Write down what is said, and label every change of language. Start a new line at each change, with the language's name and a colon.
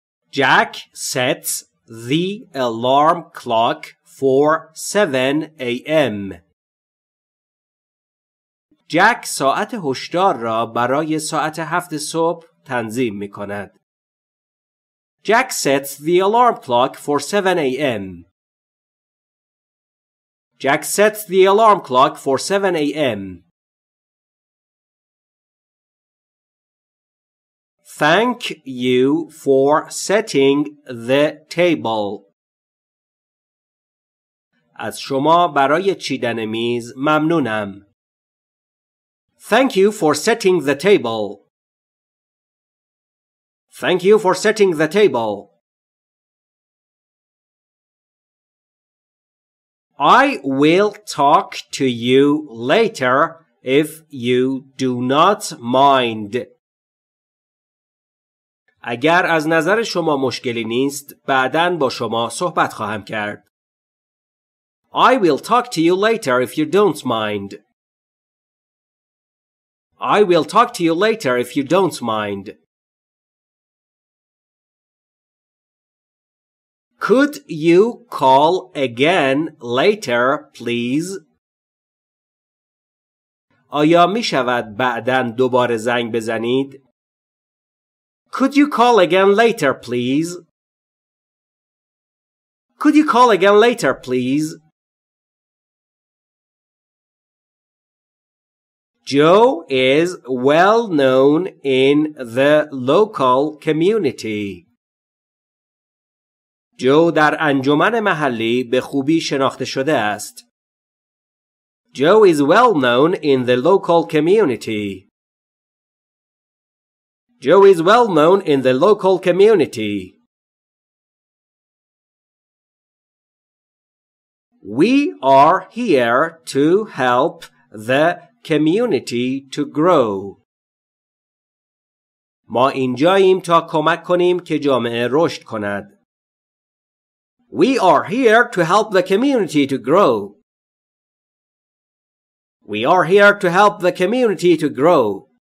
English: Jack sets the alarm clock for 7 a.m.
Persian: Jack ساعت هشدار را برای ساعت 7 صبح تنظیم می کند.
English: Jack sets the alarm clock for 7 a.m. Jack sets the alarm clock for 7 a.m. Thank you for setting the table.
Persian: از شما برای چیدن میز ممنونم.
English: Thank you for setting the table. Thank you for setting the table. I will talk to you later if you do not mind.
Persian: اگر از نظر شما مشکلی نیست، بعداً با شما صحبت خواهم کرد.
English: I will talk to you later if you don't mind. I will talk to you later if you don't mind. Could you call again later, please?
Persian: آیا می شود بعداً دوباره زنگ بزنید؟
English: Could you call again later, please? Could you call again later, please? Joe is well known in the local community.
Persian: Joe در انجمن محلی به خوبی شناخته شده است.
English: Joe is well known in the local community. Joe is well known in the local community. We are here to help the community to grow.
Persian: ما اینجاییم تا کمک کنیم که جامعه رشد کند.
English: We are here to help the community to grow. We are here to help the community to grow.